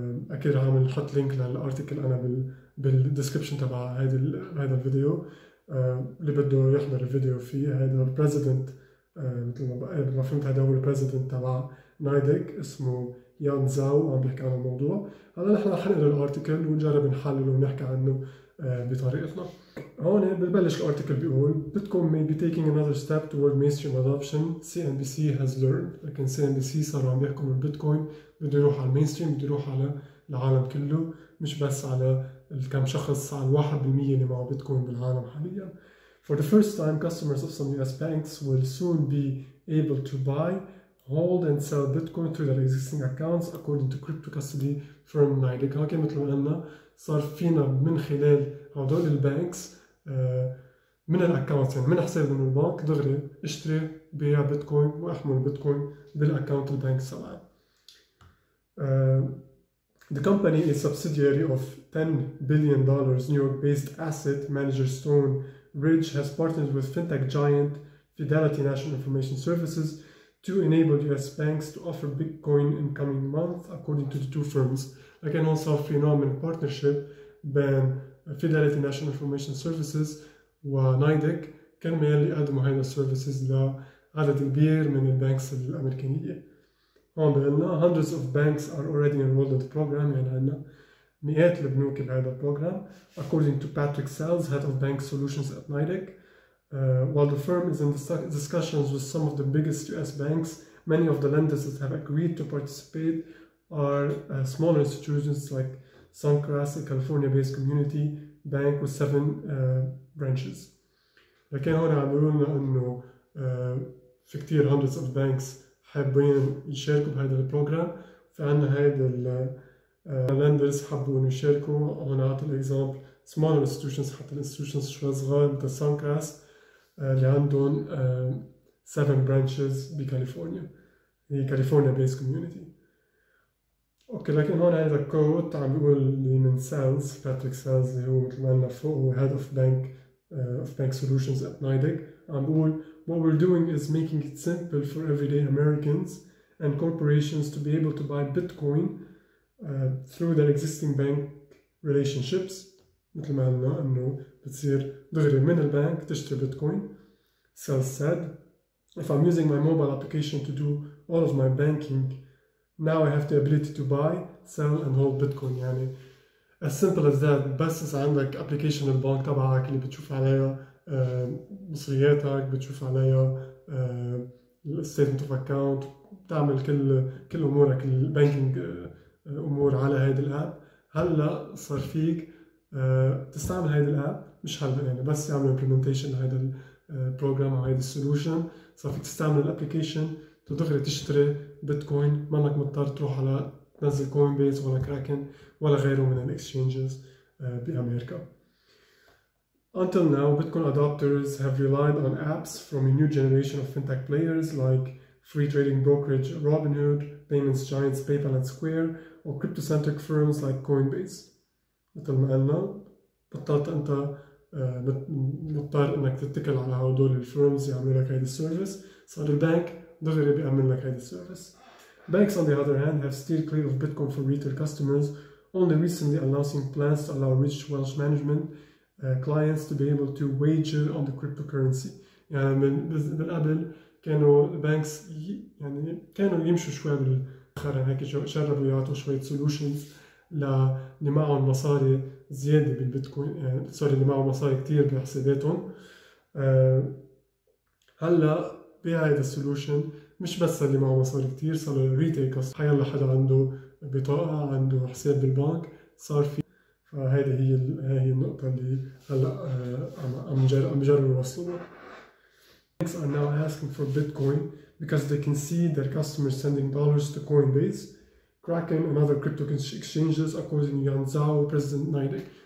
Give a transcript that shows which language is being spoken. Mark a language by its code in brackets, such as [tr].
[ar] اكيد عم نحط لينك للارتيكل انا بالديسكربشن تبع هذا الفيديو. اللي بده يحضر الفيديو فيه هذا البريزيدنت، مثل ما فهمت هذا هو البريزيدنت تبع نايدك اسمه يان زاو، عم بيحكي عن الموضوع. هلا نحن رح نقرا الارتيكل ونجرب نحلله ونحكي عنه بطريقتنا. هون ببلش الارتيكل بيقول [en] Bitcoin may be taking another step toward mainstream adoption CNBC has learned. [ar] لكن CNBC صاروا عم بيحكوا من بيتكوين بده يروح على المينستريم، بده يروح على العالم كله مش بس على الكم شخص، على 1% اللي معه بيتكوين بالعالم حاليا. [en] For the first time customers of some US banks will soon be able to buy, hold and sell Bitcoin through their existing accounts according to crypto custody firm NYDIG. [ar] هكي مثل ما قلنا صار فينا من خلال هدول البانكس من الاكونت، يعني من حساب من البنك دغري اشتري بيع بيتكوين واحمل بيتكوين بالاكونت البنك تبعي. [en] The company is a subsidiary of $10 billion New York based asset manager Stone Ridge has partnered with fintech giant Fidelity National Information Services to enable US banks to offer Bitcoin in coming months according to the two firms. Again, also a phenomenal partnership [ar] بين Fidelity National Information Services و NYDIG كان ميال يقدموا هيدا السيرفيسز لعدد كبير من البنكس الأمريكانية. هون بقلنا [en] hundreds of banks are already enrolled in the program، [ar] يعني عندنا مئات البنوك بهذا البروجرام [en] according to Patrick Sells, head of bank solutions at NYDIG. While the firm is in discussions with some of the biggest US banks, many of the lenders that have agreed to participate are smaller institutions like Suncrest, a California-based community bank with 7 branches. [ar] لكن هون عم بيقولنا انه في كتير [en] hundreds of banks [ar] حابين يشاركوا بهذا البروجرام، فعندنا هيدا lenders حابوا انه يشاركوا. هون عطى الاكزامبل [en] smaller institutions، [ar] حتى الانستتيوشنز شوي صغار مثل Suncrest اللي عندهم 7 branches بكاليفورنيا، هي كاليفورنيا based community. اوكي لكن هون هذا الكوت عم بيقول اللي من سيلز، باتريك سيلز اللي هو مثل ما قلنا فوق [en] هو head of bank of bank solutions at NYDIG، [ar] عم بيقول [en] what we're doing is making it simple for everyday Americans and corporations to be able to buy Bitcoin through their existing bank relationships. [ar] مثل ما قلنا انه بتصير دغري من البنك تشتري بيتكوين. [en] Sells said if I'm using my mobile application to do all of my banking now I have the ability to buy, sell and hold Bitcoin. [ar] يعني [en] as simple as that، [ar] بس إذا عندك application البنك تبعك اللي بتشوف عليها مصرياتك، بتشوف عليها [en] statement of account، [ar] بتعمل كل أمورك البانكينج أمور على هيدي الأب، هلأ صار فيك تستعمل هيدي الأب. مش هلأ يعني بس يعمل implementation لهيدا البروجرام أو هيدي السولوشن، صار فيك تستعمل الأبليكيشن تدخل تشتري بيتكوين، ما انك مضطر تروح على تنزل كوين بيس ولا كراكن ولا غيره من الاكسشينجز بامريكا. [en] Until now Bitcoin adopters have relied on apps from a new generation of fintech players like free trading brokerage Robinhood, payments giants PayPal and Square or crypto-centric firms like Coinbase. [ar] مثل ما قلنا بطلت انت مضطر انك تتكل على هدول الفيرمز يعملوا لك هيدي السيرفيس، صار البنك دغري بيعمل لك هيدي السيرفيس. [en] Banks on the other hand have steered clear of Bitcoin for retail customers, only recently announcing plans to allow rich wealth management clients to be able to wager on the cryptocurrency. [ar] يعني من قبل كانوا البانكس يعني كانوا يمشوا شوي بالاخر هيك جربوا يعطوا شوية solutions للي معهم مصاري زيادة بالبيتكوين، سوري اللي معهم مصاري كتير بحساباتهم. هلا بهيدا السولوشن مش بس اللي معه مصاري كتير، صار الريتيل كاستمر حيلا حدا عنده بطاقة عنده حساب بالبنك صار في. فهيدي هي هي النقطة اللي هلا عم جرب يوصلوها. [en] Banks are now asking for Bitcoin because they can see their customers sending dollars to Coinbase, Kraken and other crypto exchanges according to Yan Zhao, President NYDIG.